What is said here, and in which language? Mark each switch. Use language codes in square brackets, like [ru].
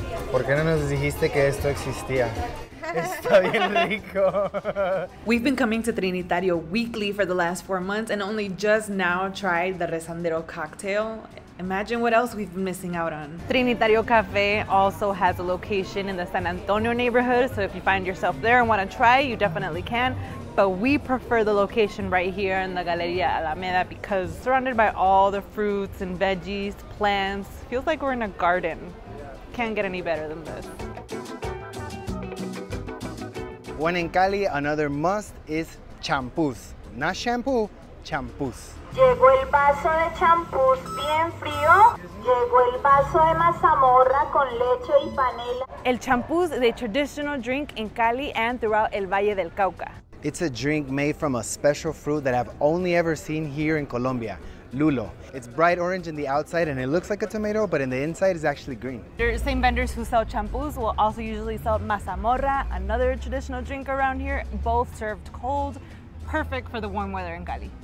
[es] ¿Por qué no nos dijiste que esto existía? Está bien rico. [en] We've been coming to Trinitario weekly for the last 4 months and only just now tried the Rezandero cocktail. Imagine what else we've been missing out on. Trinitario Cafe also has a location in the San Antonio neighborhood, so if you find yourself there and want to try, you definitely can. But we prefer the location right here in the Galería Alameda because surrounded by all the fruits and veggies, plants, feels like we're in a garden. Can't get any better than this. When in Cali, another must is champús. Not shampoo, champús. [es] Llegó el vaso de champús bien frío. Llegó el vaso de mazamorra con leche y panela. [en] El champús is a traditional drink in Cali and throughout el Valle del Cauca. It's a drink made from a special fruit that I've only ever seen here in Colombia. Lulo. It's bright orange in the outside and it looks like a tomato, but in the inside it's actually green. The same vendors who sell champús will also usually sell mazamorra, another traditional drink around here, both served cold, perfect for the warm weather in Cali.